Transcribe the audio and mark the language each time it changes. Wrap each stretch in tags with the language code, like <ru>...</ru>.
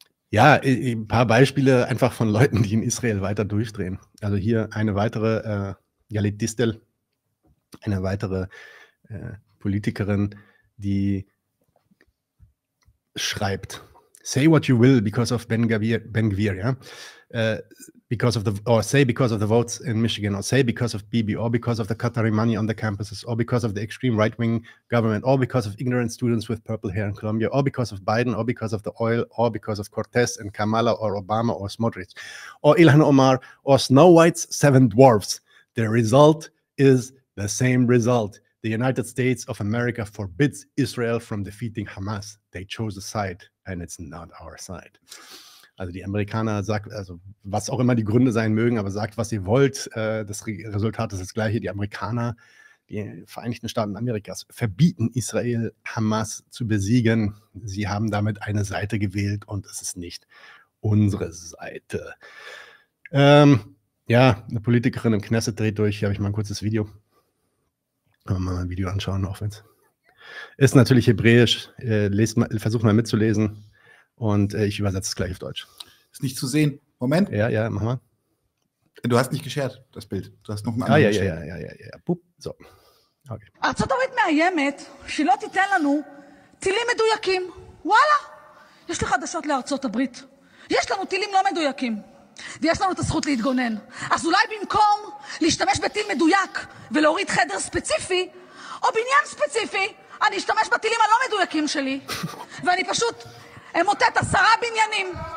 <de>Ja, ein paar Beispiele einfach von Leuten, die in Israel weiter durchdrehen. Also hier eine weitere Yalit Distel, eine weitere Politikerin, die schreibt:</de> <en>Say what you will because of Ben-Gvir,</en> <de>ja?</de> <en>Because of the, or say because of the votes in Michigan, or say because of Bibi, or because of the Qatari money on the campuses, or because of the extreme right-wing government, or because of ignorant students with purple hair in Colombia, or because of Biden, or because of the oil, or because of Cortez and Kamala, or Obama, or Smotrich, or Ilhan Omar, or Snow White's seven dwarfs. The result is the same result. The United States of America forbids Israel from defeating Hamas. They chose a side. And it's not our side.</en> <de>Also die Amerikaner sagt, also was auch immer die Gründe sein mögen, aber sagt, was ihr wollt, das Resultat ist das gleiche. Die Amerikaner, die Vereinigten Staaten Amerikas, verbieten Israel, Hamas zu besiegen. Sie haben damit eine Seite gewählt und es ist nicht unsere Seite. Ja, eine Politikerin im Knesset dreht durch. Hier habe ich mal ein kurzes Video. Können wir mal ein Video anschauen, auch wenn es ist natürlich Hebräisch. Versucht mal mitzulesen. Und ich übersetze es gleich auf Deutsch. Ist nicht zu sehen. Moment. Ja, mach mal. Du hast nicht geshared, das Bild. Du hast noch ein Ah, anderes geshared. ja. Bup. So. Okay.</de> <he>ארצות הברית מאיימת שלא תיתן לנו טילים מדויקים. וואלה, יש לי חדשות לארצות הברית. יש לנו טילים לא מדויקים, ויש לנו את הזכות להתגונן. אז אולי במקום להשתמש בטיל מדויק ולהוריד חדר ספציפי, או בניין ספציפי, אני אשתמש בטילים הלא מדויקים שלי, ואני פשוט אמוטט 10 בניינים.</he>